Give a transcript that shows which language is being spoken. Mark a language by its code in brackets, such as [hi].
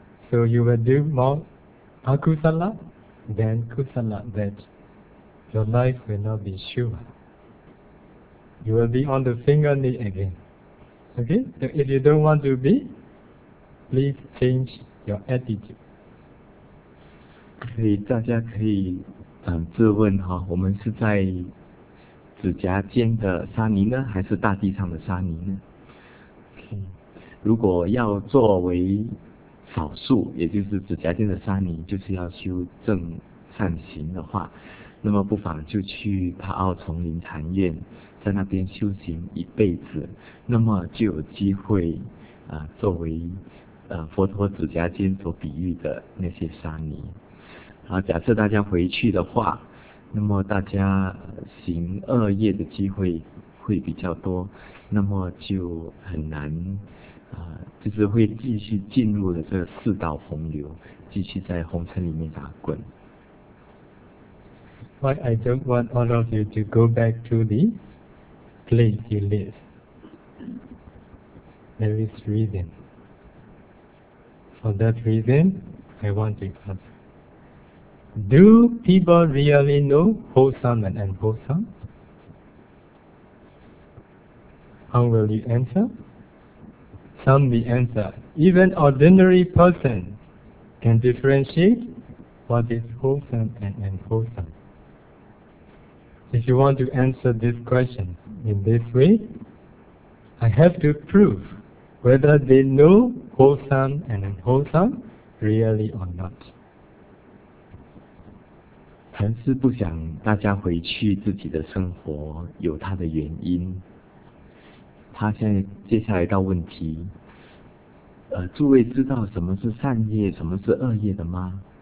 [en] So you will do more akusala than kusala, that your life will not be sure. You will be on the finger knee again. Okay? So if you don't want to be, please change your attitude. [zh] 可以，大家可以自问哈，我们是在指甲尖的沙泥呢，还是大地上的沙泥呢？ [en] Okay. [zh] 如果要作为少数，也就是指甲尖的沙泥，就是要修正善行的话，那么不妨就去帕奥丛林禅院，在那边修行一辈子，那么就有机会作为佛陀指甲尖所比喻的那些沙弥。啊，假设大家回去的话，那么大家行恶业的机会会比较多，那么就很难，就是会继续进入了这个四道洪流，继续在红尘里面打滚。 [en] Why I don't want all of you to go back to the place you live. There is reason. For that reason, I want to ask. Do people really know wholesome and unwholesome? How will you answer? Some will answer. Even ordinary person can differentiate what is wholesome and unwholesome. If you want to answer this question in this way, I have to prove whether they know wholesome and unwholesome really or not. [zh] 禅师不想大家回去自己的生活，有他的原因。他现在接下来到问题，诸位知道什么是善业，什么是恶业的吗？